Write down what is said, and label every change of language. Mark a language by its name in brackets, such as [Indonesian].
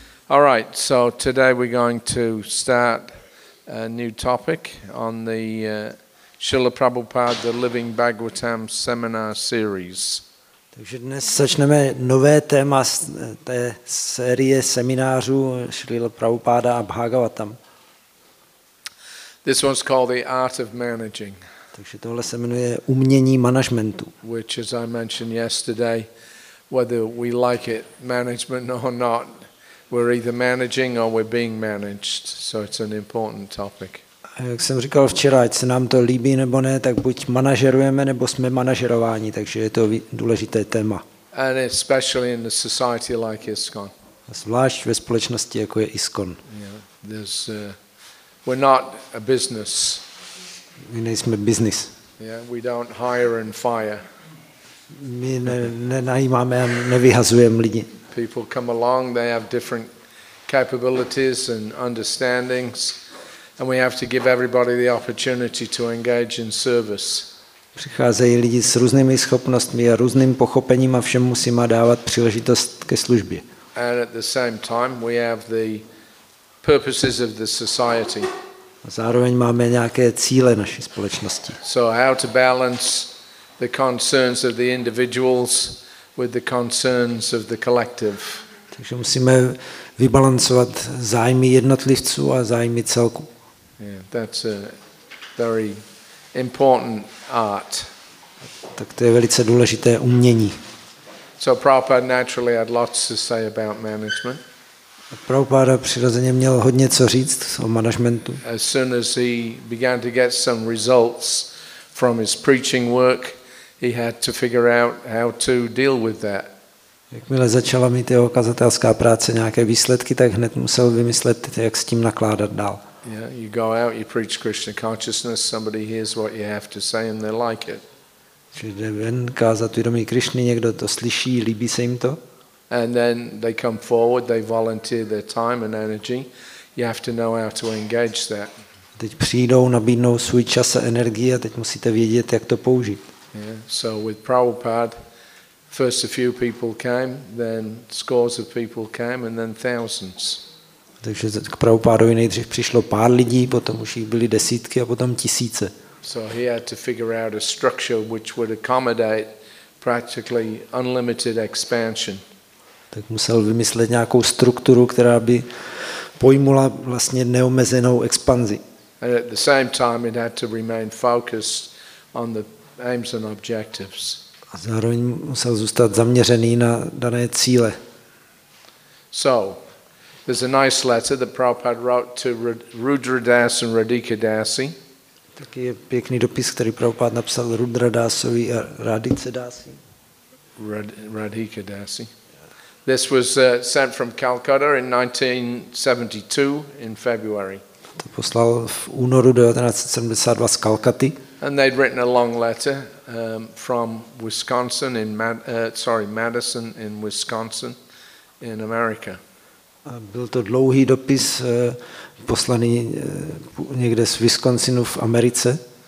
[English] All right, so today we're going to start a new topic on the Srila Prabhupada, the Living Bhagavatam seminar series. [Czech] Takže dnes začneme nové téma z té série seminářů Srila Prabhupada a Bhagavatam. [English] This one's called The Art of Managing. [Czech] Takže tohle se jmenuje umění managementu. [English] Which, as I mentioned yesterday, whether we like it, management or not, we're either managing or we're being managed. So it's an important topic. [Czech] Jak jsem říkal včera, ať se nám to líbí nebo ne, tak buď manažerujeme nebo jsme manažerováni, takže je to důležité téma. [English] And especially in a society like ISKCON. [Czech] A zvlášť ve společnosti jako je ISKCON. [English] Yeah, we're not a business. [Czech] My nejsme business. [English] Yeah, we don't hire and fire. [Czech] My nenajímáme a nevyhazujeme lidi. [English] People come along, they have different capabilities and understandings, and we have to give everybody the opportunity to engage in service. [Czech] Přicházejí lidi s různými schopnostmi a různým pochopením a všem musíme dávat příležitost ke službě. [English] And at the same time, we have the purposes of the society. [Czech] A zároveň máme nějaké cíle naší společnosti. [English] So how to balance the concerns of the individuals with the concerns of the collective. [Czech] Takže musíme vybalancovat zájmy jednotlivců a zájmy celku. [English] Yeah, that's a very important art. [Czech] Tak to je velice důležité umění. [English] So Prabhupada naturally had lots to say about management. [Czech] Prabhupada přirozeně měl hodně co říct o managementu. [English] As soon as he began to get some results from his preaching work, he had to figure out how to deal with that. [Czech] Jakmile začala mít jeho kazatelská práce nějaké výsledky, tak hned musel vymyslet, jak s tím nakládat dál. [English] Yeah, you go out, you preach Krishna consciousness, somebody hears what you have to say and they like it. [Czech] Jde ven kázat vědomí Krišny, někdo to slyší, líbí se jim to. [English] And then they come forward, they volunteer their time and energy. You have to know how to engage that. [Czech] Teď přijdou, nabídnou svůj čas a energii a teď musíte vědět, jak to použít. [English] Yeah. So with Prabhupada, first a few people came, then scores of people came, and then thousands. [Czech] Takže k Prabhupádovi nejdřív přišlo pár lidí, potom už jich byly desítky a potom tisíce. [English] So he had to figure out a structure which would accommodate practically unlimited expansion. [Czech] Tak musel vymyslet nějakou strukturu, která by pojmula vlastně neomezenou expanzi. [English] And at the same time it had to remain focused on the aims and objectives. [Czech] A zároveň musel zůstat zaměřený na dané cíle. [English] So there's a nice letter that Prabhupada wrote to Rudra Das and Radhika Dasi. [Czech] Taky je pěkný dopis, který Prabhupada napsal Rudra Dasovi a Radhice Dasi. Radhika Dasi. [English] This was sent from Calcutta in 1972 in February. [Czech] To poslal v únoru 1972 z Kalkaty. [English] And they'd written a long letter from Wisconsin in Madison in Wisconsin in America. [Czech] A byl to dlouhý dopis poslaný někde z Wisconsinu v Americe.